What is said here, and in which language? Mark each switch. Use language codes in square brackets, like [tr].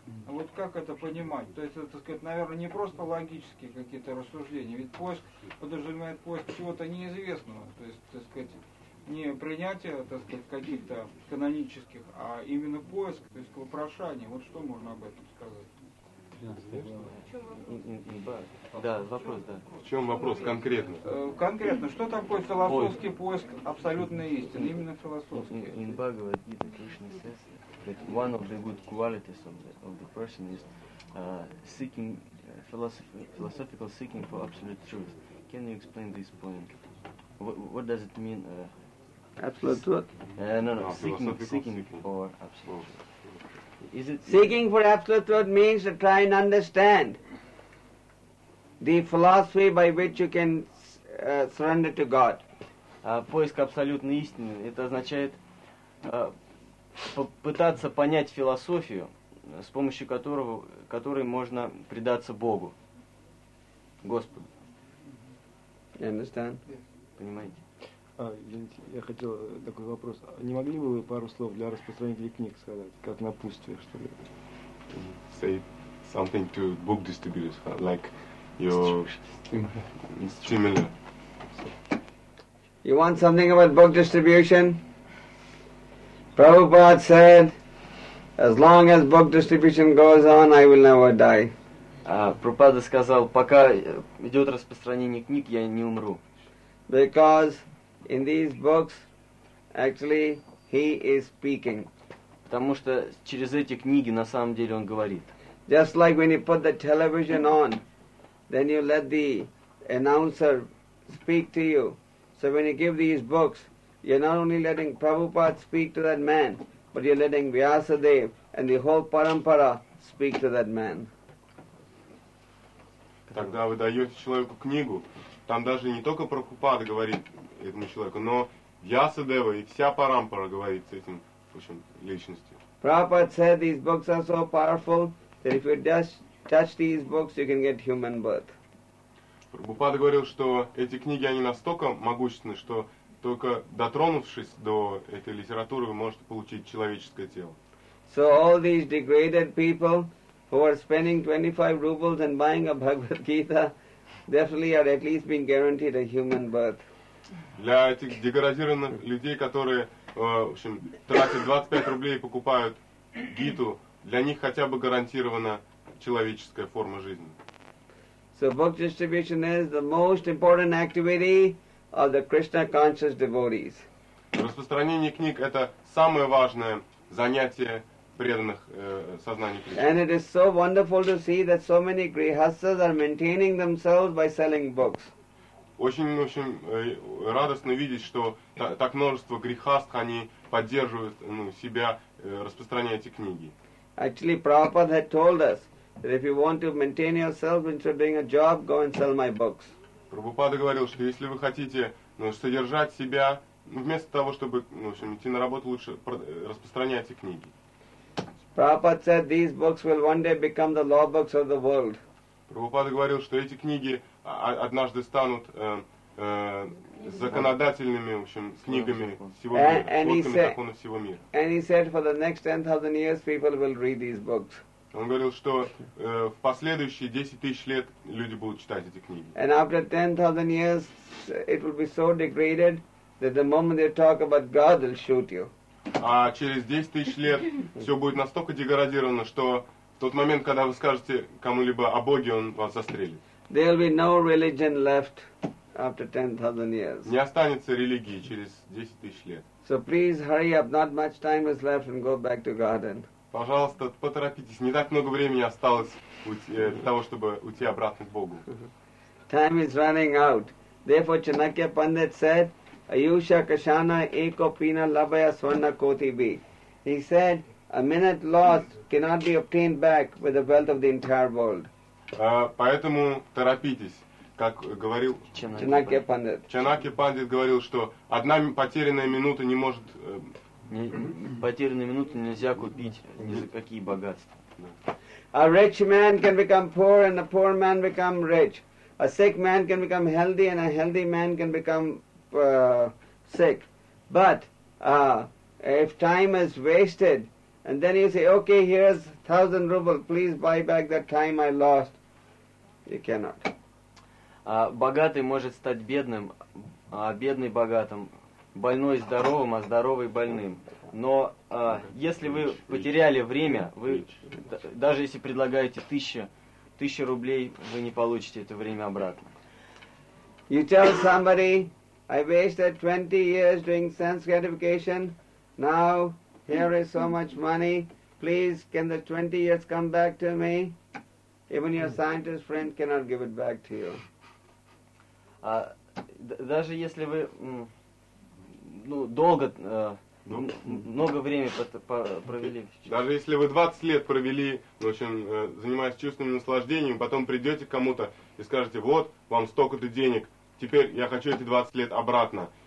[ru] Вот как это понимать? То есть это, так сказать, наверное, не просто логические какие-то рассуждения, ведь поиск подразумевает поиск чего-то неизвестного, то есть, так сказать, не принятие, так сказать, каких-то канонических, а именно поиск, то есть вопрошание. Вот что можно об этом сказать? Да, вопрос, да. В чем вопрос конкретно? Конкретно, что такое философский поиск абсолютной истины, именно философский? [en] In Bhagavad Gita, Krishna says that one of the good qualities of the person is seeking philosophical seeking for absolute truth. Can you explain this point? What does it mean? Absolute truth? No, seeking for absolute truth. Is it seeking for absolute truth means to try and understand the philosophy by which you can surrender to God. [ru] Поиск абсолютной истины – это означает попытаться понять философию, с помощью которой можно предаться Богу, Господу. [en] You understand? [ru] Понимаете? Извините, я хотел такой вопрос. Не могли бы вы пару слов для распространителей книг сказать, как на пустыне, что ли? [en] Say something to book distributors, like your stimulus. You want something about book distribution? Prabhupada said, as long as book distribution goes on, I will never die. [ru] Прабхупада сказал, пока идет распространение книг, я не умру. [en] Because in these books, actually, he is speaking. [ru] Потому что через эти книги на самом деле он говорит. [en] Just like when you put the television on, then you let the announcer speak to you. So when you give these books, you're not only letting Prabhupada speak to that man, but you're letting Vyasadev and the whole parampara speak to that man. [ru] Тогда вы даете человеку книгу, там даже не только Прабхупада говорит этому человеку, но Вьясадева и вся парампара говорит с этим, в общем, личностью. [en] Prabhupada said these books are so powerful that if you just touch these books, you can get human birth. [ru] Прабхупада говорил, что эти книги, они настолько могущественны, что только дотронувшись до этой литературы, вы можете получить человеческое тело. [en] So all these degraded people who are spending 25 rubles and buying a Bhagavad Gita definitely are at least being guaranteed a human birth. [ru] Для этих деградированных людей, которые, в общем, тратят 25 рублей и покупают гиту, для них хотя бы гарантирована человеческая форма жизни. [en] So book distribution is the most important activity of the Krishna conscious devotees. [ru] Распространение книг – это самое важное занятие преданных сознания Кришны. [en] And it is so wonderful to see that so many grihasthas are maintaining themselves by selling books. [ru] Очень-очень радостно видеть, что так множество грихастх, они поддерживают себя, распространяя эти книги. [en] Actually, Prabhupada had told us that if you want to maintain yourself instead of doing a job, go and sell my books. [ru] Прабхупада говорил, что если вы хотите содержать себя, вместо того, чтобы идти на работу, лучше распространяйте эти книги. [en] Prabhupada said these books will one day become the law books of the world. [ru] Прабхупада говорил, что эти книги однажды станут законодательными, в общем, книгами всего мира, сводками законов всего мира. [en] And he said for the next 10,000 years people will read these books. [ru] Он говорил, что в последующие 10,000 лет люди будут читать эти книги. [en] And after 10,000 years it will be so degraded that the moment they talk about God they'll shoot you. [ru] А через 10,000 лет все будет настолько деградировано, что в тот момент, когда вы скажете кому-либо о Боге, он вас застрелит. [en] There will be no religion left after 10,000 years. [ru] Не останется религии через 10,000 лет. [en] So please hurry up, not much time is left, and go back to garden. [ru] Пожалуйста, поторопитесь, не так много времени осталось для того, чтобы уйти обратно к Богу. [en] Time is running out. Therefore, Chanakya Pandit said, [sa] Ayusha Kashana Eko Pina Labaya Swarna Koti Bi. [en] He said, a minute lost cannot be obtained back with the wealth of the entire world. [ru] Поэтому торопитесь, как говорил Чанакья Пандит. Чанакья Пандит говорил, что одна потерянная минута не может Не, потерянные минуты нельзя купить ни за какие богатства. [en] A rich man can become poor and a poor man become rich. A sick man can become healthy and a healthy man can become sick. But if time is wasted, and then you say, okay, here's 1,000 rubles, please buy back that time I lost. You cannot. [ru] Богатый может стать бедным, а бедный богатым. Больной здоровым, а здоровый больным. Но если вы потеряли время, вы даже если предлагаете 1000 рублей, вы не получите это время обратно. [en] You tell somebody, I wasted 20 years doing sense gratification. Now here is so much money. Please, can the 20 years come back to me? Even your scientist friend cannot give it back to you. [ru] Даже если вы долго, много времени провели. Даже если вы 20 лет провели, в общем, занимаясь чувственным наслаждением, потом придете к кому-то и скажете, вот, вам столько-то денег, теперь я хочу эти 20 лет обратно.